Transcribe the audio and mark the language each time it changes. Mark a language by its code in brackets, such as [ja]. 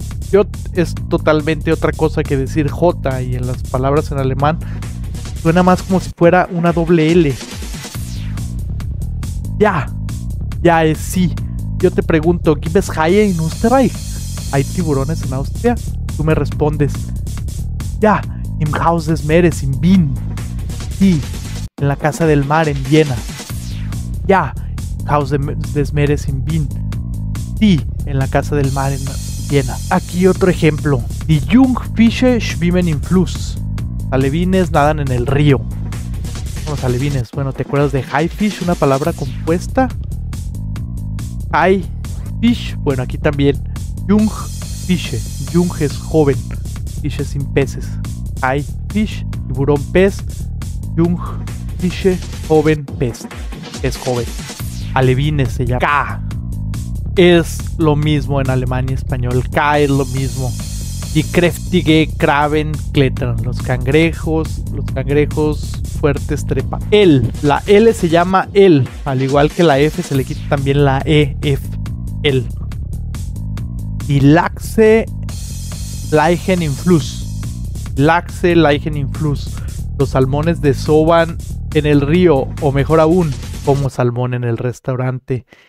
[es] Jot es totalmente otra cosa que decir J, y en las palabras en alemán suena más como si fuera una doble L. Ya. Ya es sí. Yo te pregunto, [de] ¿gibt es Haie in Österreich? [es] ¿Hay tiburones en Austria? Tú me respondes. Ya. [de] Im Haus des Meeres in Wien. [es] Sí. En la casa del mar en Viena. [de] Ja. Im Haus des Meeres in Wien. [es] Sí. En la casa del mar en Viena. Aquí otro ejemplo. [de] Die Jungfische schwimmen im Fluss. [es] Alevines nadan en el río. Los alevines. Bueno, ¿te acuerdas de high fish? Una palabra compuesta. High fish. Bueno, aquí también. Jung fish. Jung es joven. Fish es sin peces. High fish. Tiburón pez. Jung fish. Joven pez. Es joven. Alevines se llama. K. Es lo mismo en alemán y español. K es lo mismo. [de] Die kräftige Kraben klettern. [es] Los cangrejos fuertes trepan. El. La L se llama el. Al igual que la F se le quita también la E. F. El. [de] Die Lachse laichen im Fluss. Lachse laichen im Fluss. [es] Los salmones desoban en el río. O mejor aún, como salmón en el restaurante.